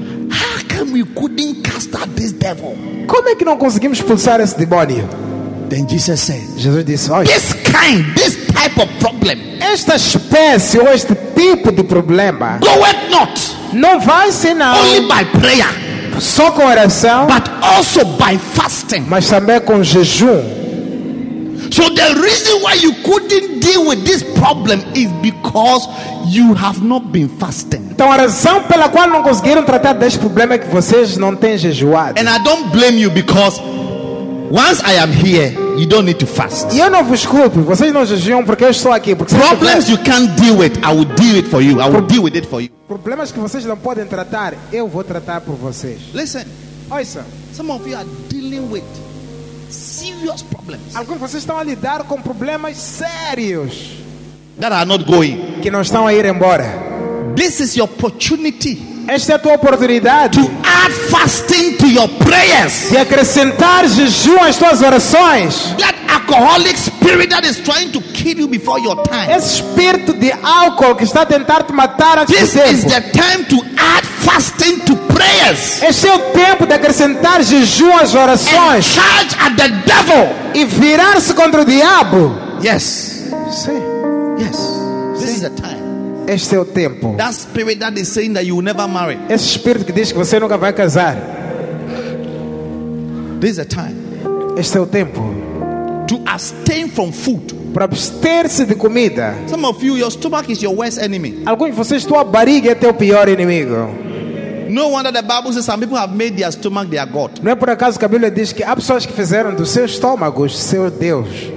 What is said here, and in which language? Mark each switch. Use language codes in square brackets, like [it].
[en] How come we couldn't cast out this devil? [pt] Como é que não conseguimos expulsar esse demônio? [en] Then Jesus said. [pt] Jesus disse, olha, [en] this kind, this type of problem. [pt] Esta espécie ou este tipo de problema. [en] Goeth not. [pt] Não vai senão. [en] Only by prayer. [pt] Só com oração, [en] but also by fasting. [pt] Mas também com jejum. [en] So the reason why you couldn't deal with this problem is because you have not been fasting. [pt] Então a razão pela qual não conseguiram tratar deste problema é que vocês não têm jejuado. [en] And I don't blame you because once I am here, you don't need to fast. [pt] E eu não vos culpo, vocês não jejuam porque eu estou aqui. Porque [en] problems you can't deal with, I will deal it for you. I will deal with it for you. [pt] Problemas que vocês não podem tratar, eu vou tratar por vocês. [en] Listen. [pt] Ouça. [en] Some of you are dealing with serious problems. [pt] Alguns de vocês estão a lidar com problemas sérios. [en] That are not going. [pt] Que não estão a ir embora. [en] This is your opportunity. [pt] Esta é a tua oportunidade. [en] To add fasting to your prayers. [pt] De acrescentar jejum às tuas orações. [en] That alcoholic spirit that is trying to kill you before your time. [pt] Esse espírito de álcool que está a tentar te matar antes do tempo. [en] This is the time to add fasting to prayers. [pt] Este é o tempo de acrescentar jejum às orações. [en] And charge at the devil. [pt] E virar-se contra o diabo. [en] Yes. [pt] Sim. [en] Yes. This is the time. [pt] Este é o tempo. [en] That spirit that is saying that you will never marry. [pt] Esse espírito que diz que você nunca vai casar. [en] This is the time. [pt] Este é o tempo. [en] To abstain from food. [pt] Para abster-se de comida. [en] Some of you, your stomach is your worst enemy. [pt] Alguns de vocês, tua barriga é teu pior inimigo. [en] No wonder the Bible says some people have made their stomach their god. [pt] Não é por acaso que a Bíblia diz que há pessoas que fizeram do seu estômago seu deus.